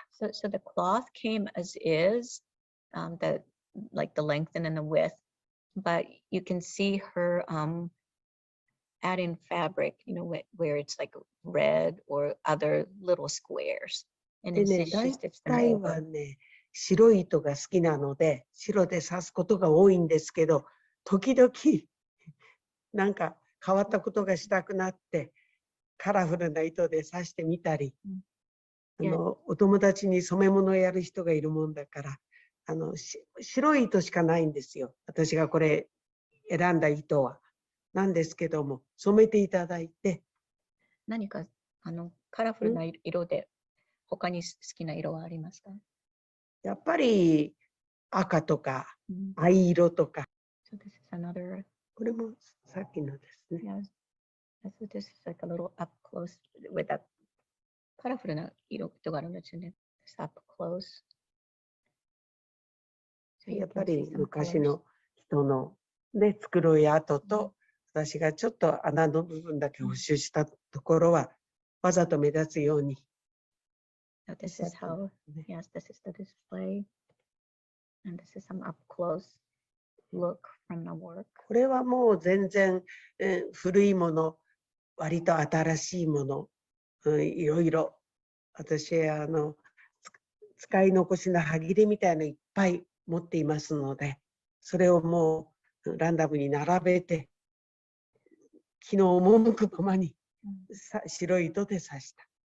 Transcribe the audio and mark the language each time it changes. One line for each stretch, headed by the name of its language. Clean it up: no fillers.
English: So the cloth came as is, the, like the length and the width, but you can see her, adding fabric, you know, where it's like red or other little squares. And it's just it's the same.
Japanese: 白い糸が好きなので白で刺すことが多いんですけど、時々なんか変わったことがしたくなってカラフルな糸で刺してみたり、あのお友達に染め物をやる人がいるもんだから、あの白い糸しかないんですよ、私がこれ選んだ糸は。なんですけども染めていただいて、何かあのカラフルな色で他に好きな色はありますか？やっぱり赤とか藍色とか、
English: so、this is another...
Japanese: これもさっきのですね。
English: Yeah. So、this is like a little up close with a colorful
Japanese: な色とかあるんですよね。
English: Up close、
Japanese: so、やっぱり昔の人の、ね、作る跡と、mm-hmm. 私がちょっと穴の部分だけ補修したところはわざと目立つように。
English: So、this is how, yes, this is the display. And this is some up close look from the work.
Japanese: これはもう全然、古いもの、割と新しいもの、いろいろ。私あの使い残しの歯切れみたいのいっぱい持っていますので、それをもうランダムに並べて、気の赴くままに白い糸で刺した。